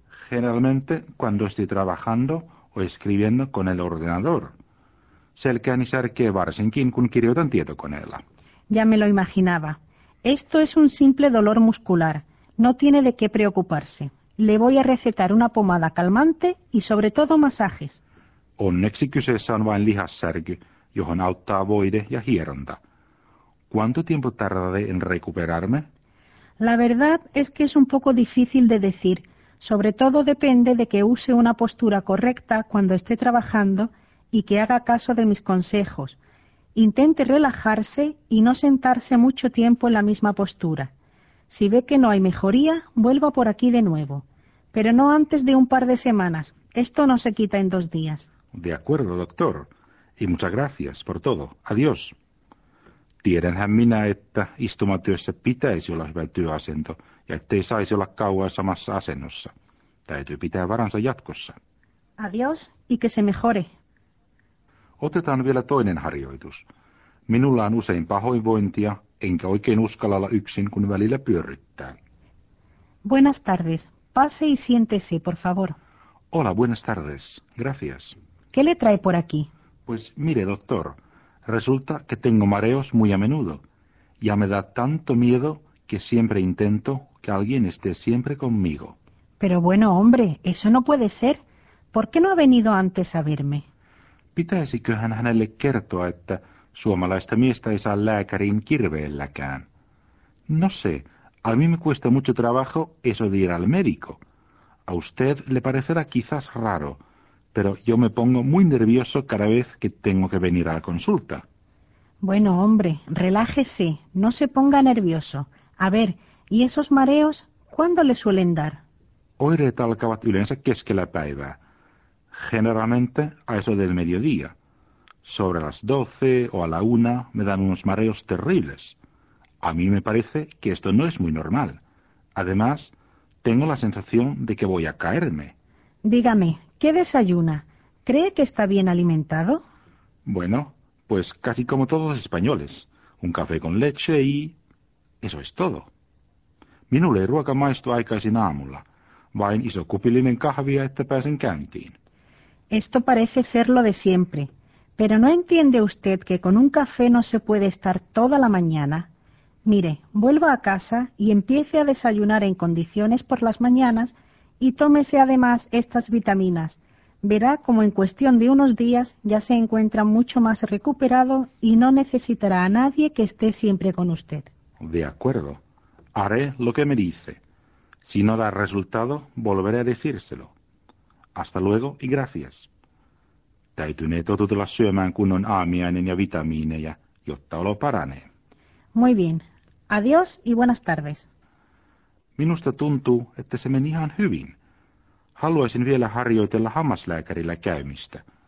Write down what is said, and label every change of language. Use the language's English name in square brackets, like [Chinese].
[Spanish] Generalmente cuando estoy trabajando o escribiendo con el ordenador. Sé el que anisar que barsenquín con quirio tan tieto con ella. Ya me lo imaginaba. Esto es un simple dolor muscular. No tiene de qué preocuparse. Le voy a recetar una pomada calmante y sobre todo masajes. [Finnish] Onneksi kyseessä on vain lihassärky, johon auttaa voide ja hieronta. [Spanish] ¿Cuánto tiempo tardaré en recuperarme? La verdad es que es un poco difícil de decir. Sobre todo depende de que use una postura correcta cuando esté trabajando y que haga caso de mis consejos. Intente relajarse y no sentarse mucho tiempo en la misma postura. Si ve que no hay mejoría, vuelva por aquí de nuevo. Pero no antes de un par de semanas. Esto no se quita en dos días. De acuerdo, doctor. Y muchas gracias por todo. Adiós. [Finnish] Tiedänhän minä, että istumatyössä pitäisi olla hyvä työasento ja ettei saisi olla kauan samassa asennossa. Täytyy pitää varansa jatkossa. [Spanish] Adios y que se mejore. [Finnish] Otetaan vielä toinen harjoitus. Minulla on usein pahoinvointia, enkä oikein uskalla olla yksin, kun välillä pyörryttää. [Spanish] Buenas tardes. Pase y siéntese, por favor. Hola, buenas tardes. Gracias. ¿Qué le trae por aquí? Pues mire, doctor. Resulta que tengo mareos muy a menudo. Ya me da tanto miedo que siempre intento que alguien esté siempre conmigo. Pero bueno, hombre, eso no puede ser. ¿Por qué no ha venido antes a verme? [Finnish] Pitäisiköhän hänelle kertoa, että suomalaista miestä ei saa lääkärin kirveelläkään? [Spanish] No sé, a mí me cuesta mucho trabajo eso de ir al médico. A usted le parecerá quizás raro. Pero yo me pongo muy nervioso cada vez que tengo que venir a la consulta. Bueno, hombre, relájese, no se ponga nervioso. A ver, ¿y esos mareos cuándo le suelen dar? [Finnish] Oireet alkavat yleensä keskellä päivää, [Spanish] generalmente a eso del mediodía. Sobre las 12 o a la 1 me dan unos mareos terribles. A mí me parece que esto no es muy normal. Además, tengo la sensación de que voy a caerme. Dígame, ¿qué desayuna? ¿Cree que está bien alimentado? Bueno, pues casi como todos los españoles. Un café con leche y... eso es todo. [Finnish] Minulle ei ruoka maistu aikaisin aamulla. Vain iso kupillinen kahvia, että pääsen käyntiin. [Spanish] Esto parece ser lo de siempre. Pero ¿no entiende usted que con un café no se puede estar toda la mañana? Mire, vuelva a casa y empiece a desayunar en condiciones por las mañanas... y tómese además estas vitaminas. Verá como en cuestión de unos días ya se encuentra mucho más recuperado y no necesitará a nadie que esté siempre con usted. De acuerdo. Haré lo que me dice. Si no da resultado, volveré a decírselo. Hasta luego y gracias. [Finnish] Täytynee totutella syömään kunnon aamiainen ja vitamiineja, jotta olo paranee. [Spanish] Muy bien. Adiós y buenas tardes. [Finnish] Minusta tuntuu, että se meni ihan hyvin. Haluaisin vielä harjoitella hammaslääkärillä käymistä.